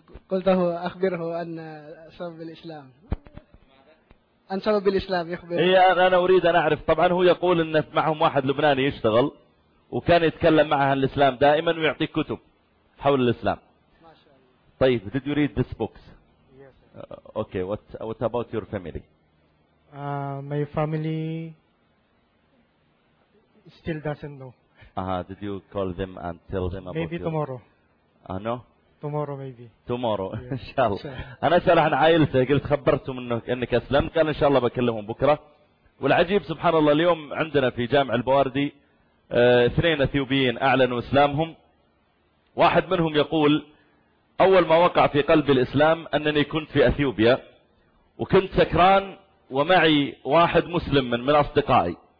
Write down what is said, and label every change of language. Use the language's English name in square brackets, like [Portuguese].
[Arabic] قلته أخبره أن سبب الإسلام، أن سبب الإسلام يخبره. هي أنا أريد أن أعرف. طبعا هو يقول أن معهم واحد لبناني يشتغل وكان يتكلم معها الإسلام دائما ويعطي كتب حول الإسلام. ما شاء الله. [English] طيب did you read this books؟ yes. Okay. What about your family؟ my family still doesn't know. Did you call them and tell them about maybe your... tomorrow. No. Tomorrow maybe. Tomorrow. Yeah. [Arabic] إن شاء الله. أنا سأل عن عائلته، قلت خبرتهم إنك أسلمت، قال إن شاء الله بكلمهم بكرة. والعجيب سبحان الله اليوم عندنا في جامع البواردي 2 أثيوبيين أعلنوا إسلامهم. واحد منهم يقول أول ما وقع في قلبي الإسلام أنني كنت في أثيوبيا وكنت سكران ومعي واحد مسلم من أصدقائي.